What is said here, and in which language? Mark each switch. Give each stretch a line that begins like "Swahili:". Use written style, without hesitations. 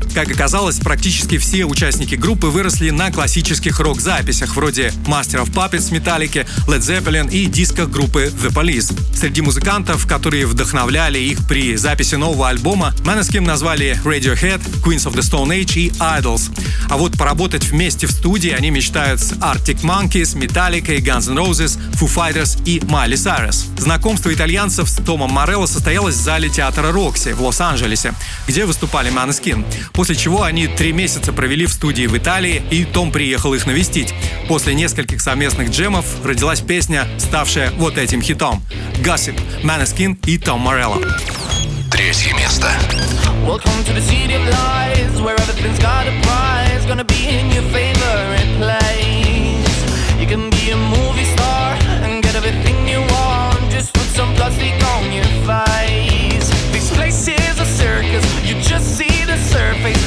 Russian: Как оказалось, практически все участники группы выросли на классических рок-записях, вроде Master of Puppets, Metallica, Led Zeppelin и дисках группы The Police. Среди музыкантов, которые вдохновляли их при записи нового альбома, Måneskin назвали Radiohead, Queens of the Stone Age и Idols. А вот поработать вместе в студии они мечтают с Arctic Monkeys, Metallica, Guns N' Roses, Foo Fighters и Miley Cyrus. Знакомство итальянцев с Томом Морелло состоялось в зале театра Roxy в Лос-Анджелесе, где выступали Måneskin. После чего они 3 месяца провели в студии в Италии, и Том приехал их навестить. После нескольких совместных джемов родилась песня, ставшая вот этим хитом. Gossip, Måneskin и Том Морелло.
English: 3rd place. Welcome to the city of lies, where everything's got a prize. Gonna be in your favorite place. You can be a movie star and get everything you want. Just put some plastic on your face. This place is a circus, you just see the surface.